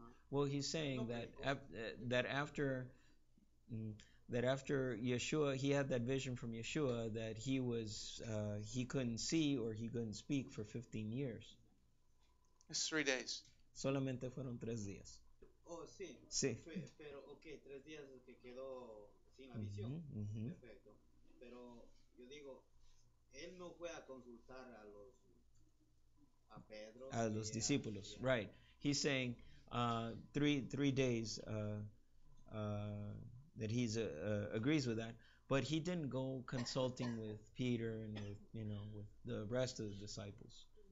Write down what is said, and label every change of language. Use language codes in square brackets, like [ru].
[en] Well, he's saying that after Yeshua, he had that vision from Yeshua that he was he couldn't see or he couldn't speak for 15 years. It's 3 days. [es] Solamente fueron 3 días. Oh, sí. Sí. Pero, okay, 3 días que quedó sin la visión. Mm-hmm. Perfecto. Pero yo digo, él no fue a consultar a los a Pedro. A los discípulos, a, right. [en] He's saying three days that he's agrees with that, but he didn't go consulting with Peter and with, you know, with the rest of the disciples.